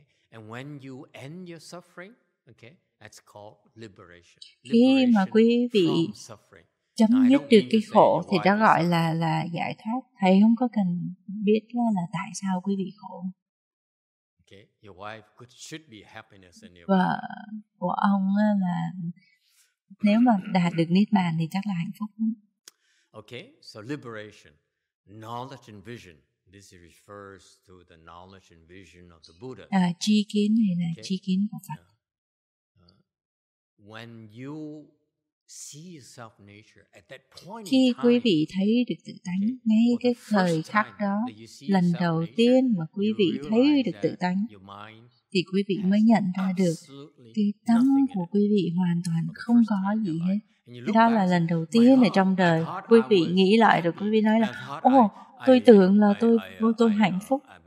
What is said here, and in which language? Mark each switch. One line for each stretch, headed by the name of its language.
English: And when you end your suffering, okay, that's called liberation.
Vietnamese: Khi mà quý vị chấm dứt được cái khổ thì đó gọi là giải thoát. Thầy không có cần biết là tại sao quý vị khổ.
English: Okay, your wife should be happiness in your
Vietnamese: vợ của ông là nếu mà đạt được niết bàn thì chắc là hạnh phúc.
English: Okay, so liberation, knowledge and vision. This refers to the knowledge and vision of the Buddha.
Vietnamese: Tri kiến này là tri kiến của Phật.
English: When you see yourself nature at that point,
Vietnamese: khi quý vị thấy được tự tánh ngay cái thời khắc đó, lần đầu tiên mà quý vị thấy được tự tánh, thì quý vị mới nhận ra được cái tâm của quý vị hoàn toàn không có gì hết. Đó là lần đầu tiên ở trong đời quý vị nghĩ lại rồi quý vị nói là ồ, tôi tưởng là tôi hạnh phúc.